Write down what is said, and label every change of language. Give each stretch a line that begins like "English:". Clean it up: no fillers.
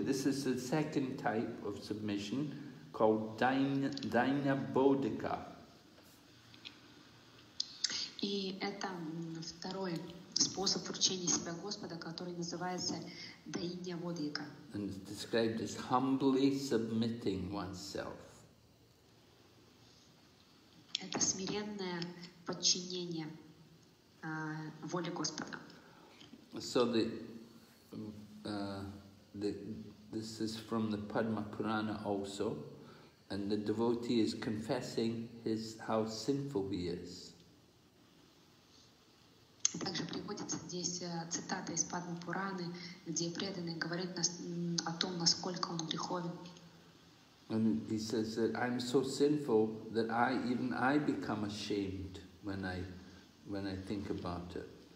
English: This is the second type of submission called Daina Bodhika.
Russian: И это второй способ вручения себя Господа, который называется Daina Bodhika.
English: And it's described as humbly submitting oneself.
Russian: Это смиренное подчинение воле Господа.
English: So this is from the Padma Purana also, and the devotee is confessing how sinful he is.
Russian: Также приводится здесь цитата из Падма Пураны, где преданный говорит о том, насколько он греховен.
English: And he says that I'm so sinful that I become ashamed when I think about it.